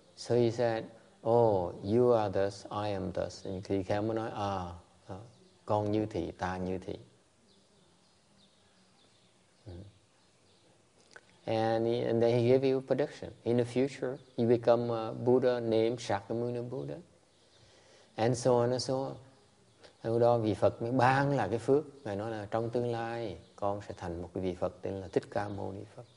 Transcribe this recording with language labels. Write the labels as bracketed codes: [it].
[en] So he said, oh, you are thus, I am thus. [vi] And Tỳ kheo mới nói, con như thị, ta như thị. [en] And then he gave you a prediction. In the future, you become a Buddha named Shakyamuni Buddha. And so on and so on. [vi] Lúc đó vị Phật mới ban là cái phước. Ngài nói là trong tương lai, con sẽ thành một vị Phật tên là Thích Ca Mâu Ni Phật.